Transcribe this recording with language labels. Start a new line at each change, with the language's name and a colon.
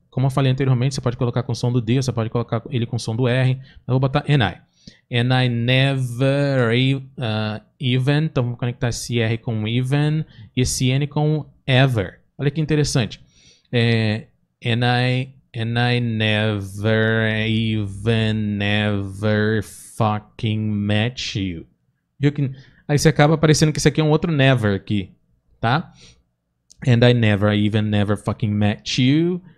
Portuguese: Como eu falei anteriormente, você pode colocar com o som do D, você pode colocar ele com o som do R. Eu vou botar
English: and I. And I never even.
Portuguese: Então, vamos conectar esse R com even e esse N com ever. Olha que interessante.
English: And I never even never fucking met you.
Portuguese: Aí você acaba aparecendo que isso aqui é um outro never aqui, tá?
English: And I never even never fucking met you.